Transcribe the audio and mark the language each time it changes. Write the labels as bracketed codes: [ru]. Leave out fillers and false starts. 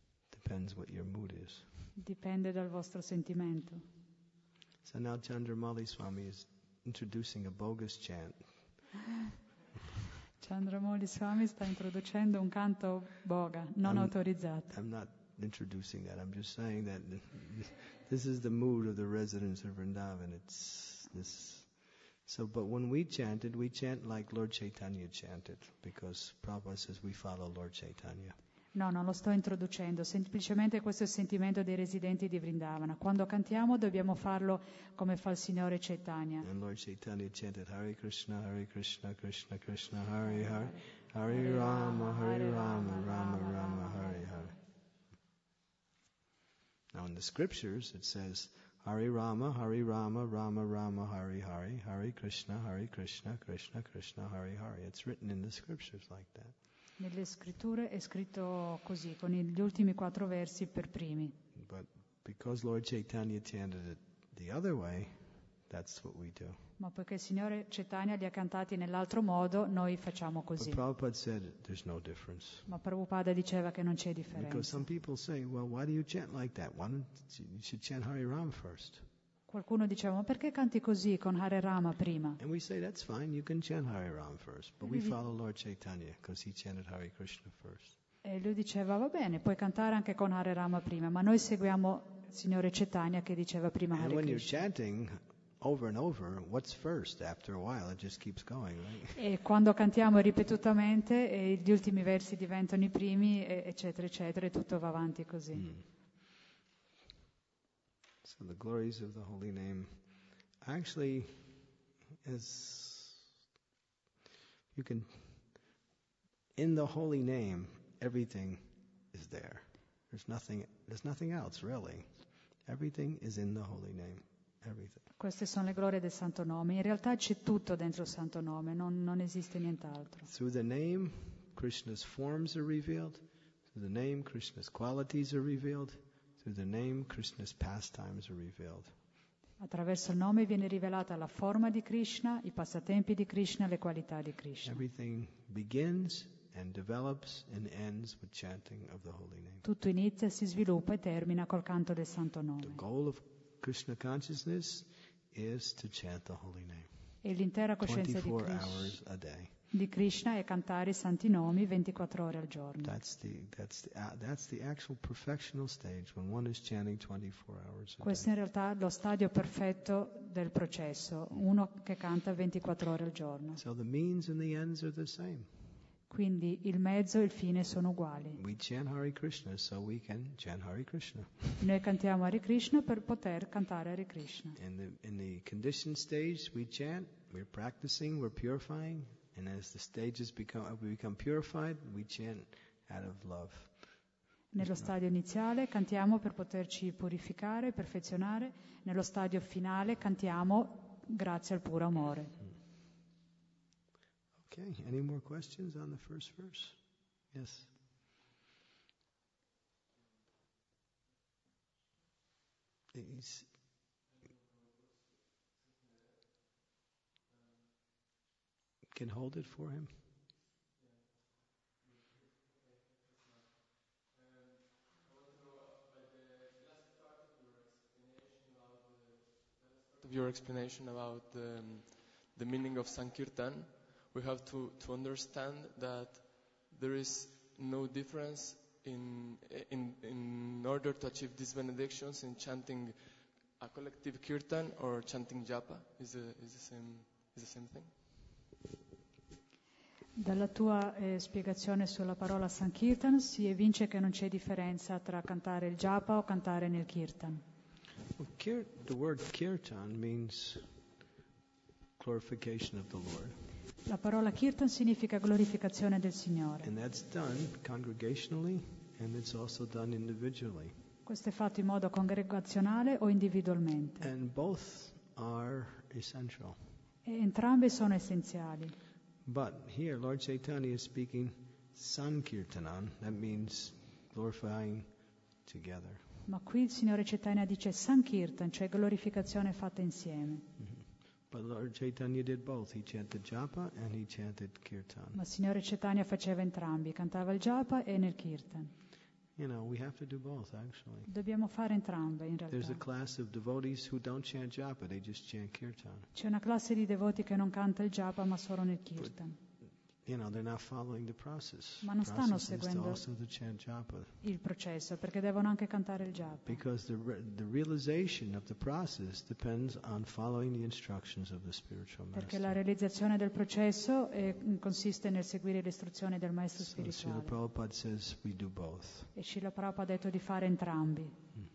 [en] Depends what your mood is. [it] Dipende dal vostro sentimento. [en] So now Chandramali Swami is introducing a bogus chant. [it] Chandramouli Swami sta introducendo un canto boga, non autorizzato. [en] I'm not introducing that. I'm just saying that this is the mood of the residents of Vrindavan. But when we chanted, we chant like Lord Chaitanya chanted, because Prabhupada says we follow Lord Chaitanya. [it] No, non lo sto introducendo, semplicemente questo è il sentimento dei residenti di Vrindavana. Quando cantiamo dobbiamo farlo come fa il Signore Chaitanya. [en] And Lord Chaitanya chanted [sa] Hare Krishna, Hare Krishna, Krishna Krishna, Hare Hare, Hare Rama, Hare Rama, Rama Rama, Hare Hare. [en] Now in the scriptures it says [sa] Hare Rama, Hare Rama, Rama Rama, Hare Hare, Hare Krishna, Hare Krishna, Krishna Krishna, Hare Hare. [en] It's written in the scriptures like that. [it] Nelle scritture è scritto così, con gli ultimi quattro versi per primi. [en] But because Lord Chaitanya chanted it the other way, that's what we do. [it] Ma perché il Signore Chaitanya li ha cantati nell'altro modo, noi facciamo così. [en] But Prabhupada said there's no difference. [it] Ma Prabhupada diceva che non c'è differenza. [en] Because some people say, well, why do you chant like that? Why don't you should chant Hare Rama first? [it] Qualcuno diceva, ma perché canti così con Hare Rama prima? [en] And we say that's fine, you can chant Hare Rama first, but we follow Lord Chaitanya because he chanted Hare Krishna first. [it] E lui diceva, va bene, puoi cantare anche con Hare Rama prima, ma noi seguiamo il Signore Chaitanya che diceva prima Hare Krishna. [en] And when you're chanting over and over, what's first? After a while it just keeps going, right? [it] E quando cantiamo ripetutamente e gli ultimi versi diventano i primi, eccetera eccetera, e tutto va avanti così. [en] So the glories of the holy name actually is, you can, in the holy name everything is there. There's nothing else really. Everything is in the holy name. Everything. [it] Queste sono le glorie del Santo Nome. In realtà c'è tutto dentro il Santo Nome, non esiste nient'altro. [en] Through the name, Krishna's forms are revealed. Through the name, Krishna's qualities are revealed. Through the name, Krishna's pastimes are revealed. [it] Attraverso il nome viene rivelata la forma di Krishna, i passatempi di Krishna, le qualità di Krishna. [en] Everything begins and develops and ends with chanting of the holy name. [it] Tutto inizia, si sviluppa e termina col canto del Santo Nome. [en] The goal of Krishna consciousness is to chant the holy name. [it] E l'intera coscienza di Krishna, [en] hours a day. [it] Di Krishna è cantare i santi nomi 24 ore al giorno. [en] That's the actual perfectional stage when one is chanting 24 hours a day. [it] Questo in realtà è lo stadio perfetto del processo, uno che canta 24 ore al giorno. [en] So the means and the ends are the same. [it] Quindi il mezzo e il fine sono uguali. [en] We chant Hare Krishna so we can chant Hare Krishna. [it] Noi cantiamo Hare Krishna per poter cantare Hare Krishna. [en] In the condition stage we chant, we're practicing, we're purifying, and as the stages become purified, we chant out of love. [it] Nello stadio iniziale cantiamo per poterci purificare, perfezionare, nello stadio finale cantiamo grazie al puro amore. [en] Okay, any more questions on the first verse? Yes. Can hold it for him. Your explanation about the meaning of Sankirtan. We have to understand that there is no difference in order to achieve these benedictions in chanting a collective kirtan or chanting japa. Is the same thing? [it] Dalla tua spiegazione sulla parola Sankirtan si evince che non c'è differenza tra cantare il japa o cantare nel kirtan. [en] Well, the word kirtan means glorification of the Lord. [it] La parola kirtan significa glorificazione del Signore. [en] And that's done congregationally and it's also done individually. [it] Questo è fatto in modo congregazionale o individualmente. [en] And both are essential. [it] E entrambe sono essenziali. [en] But here Lord Chaitanya is speaking sankirtanan, that means glorifying together. [it] Ma qui il Signore Chaitanya dice sankirtan, cioè glorificazione fatta insieme. [en] But Lord Chaitanya did both. He chanted japa and he chanted kirtan. [it] Ma Signore Chaitanya faceva entrambi, cantava il japa e nel kirtan. [en] You know, we have to do both, actually. [it] Dobbiamo fare entrambe, in realtà. [en] There's a class of devotees who don't chant japa, they just chant kirtan. [it] C'è una classe di devoti che non canta il japa, ma solo nel kirtan. [en] But they're not following the process. [it] Ma non stanno seguendo [en] also to chant japa. [it] Il processo, perché devono anche cantare il japa. [en] Because the realization of the process depends on following the instructions of the spiritual master. [it] Perché la realizzazione del processo consiste nel seguire le istruzioni del maestro spirituale. [en] Srila Prabhupada says we do both. [it] E Srila Prabhupada ha detto di fare entrambi.